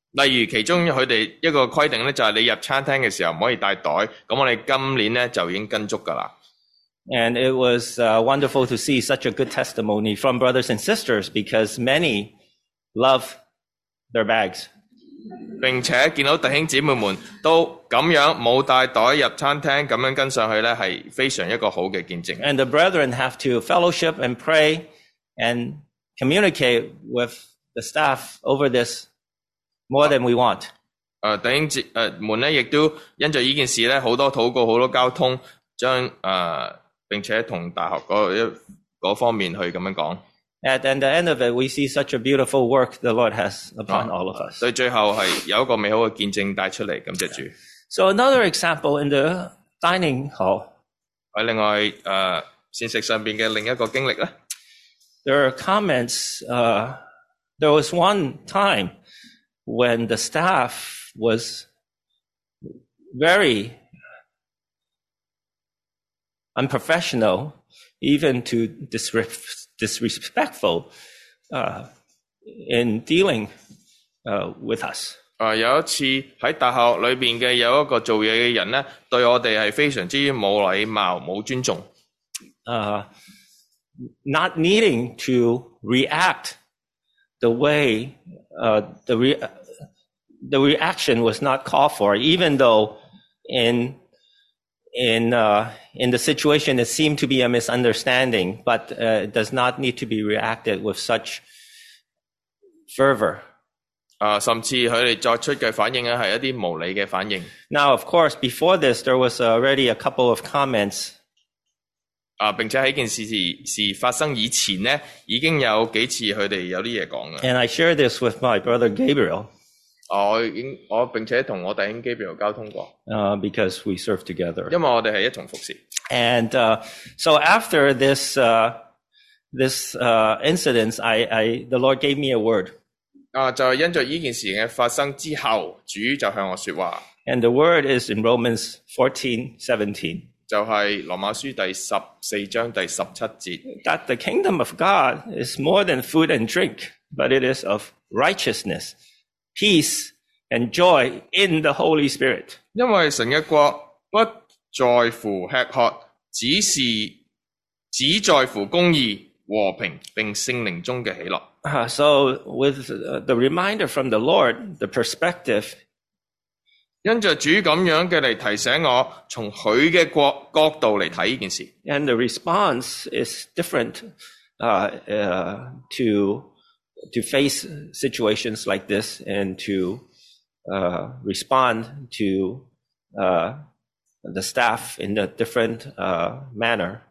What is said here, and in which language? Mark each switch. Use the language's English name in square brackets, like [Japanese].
[Chinese] 例如其中他们一个规定就是你入餐厅的时候不可以带袋，那我们今年就已经跟足了。 [English] And it was wonderful to see such a good testimony from brothers and sisters because many love their bags. [Chinese] 并且见到弟兄姊妹们都咁样冇带袋入餐厅，咁样跟上去咧，系非常一个好嘅见证。 [English] And the brethren have to fellowship and pray and communicate with the staff over this more than we want. [Chinese] 弟兄姊们咧，亦都因着呢件事咧，好多祷告，好多交通，将并且同大学嗰方面去咁样讲。 [English] At the end of it, we see such a beautiful work the Lord has upon all of us. [Chinese] 最后是有一个美好的见证带出来，感谢主。 [English] So another example in the dining hall. [Chinese] 在另外膳食上面的另一个经历呢？ [English] There are comments, there was one time when the staff was very unprofessional, even to disrespectful in dealing with us. [Chinese] 有一次在大学里面的有一个做事的人呢，对我们是非常之没有礼貌，没有尊重。 [English] Not needing to react the way, the reaction was not called for, even though in the situation it seemed to be a misunderstanding, but it does not need to be reacted with such fervor. [Chinese] 甚至他们作出的反应是一些无理的反应。 [English] Now, of course, before this, there was already a couple of comments. [Chinese] 并且在件事发生以前呢，已经有几次他们有些话说了。 [English] And I share this with my brother Gabriel. [Chinese] 我并且跟我弟兄 Gabriel 交通过。 [English] Because we serve together. [Chinese] 因为我们是一同服侍。 [English] And, so after this incident, the Lord gave me a word. [Chinese] 就因着这件事情发生之后，主就向我说话。 [English] And the word is in Romans 14:17. [Chinese] 就是罗马书第十四章第十七节。 [English] That the kingdom of God is more than food and drink, but it is of righteousness, peace, and joy in the Holy Spirit. [Chinese] 因为神的国不在乎吃喝，只在乎公义、和平并圣灵中的喜乐。 [English] So with the reminder from the Lord, the perspective. [Chinese] 因着主咁样嘅嚟提醒我，从佢嘅角度嚟睇呢件事。 [English] And the response is different to face situations like this and to respond to the staff in a different manner.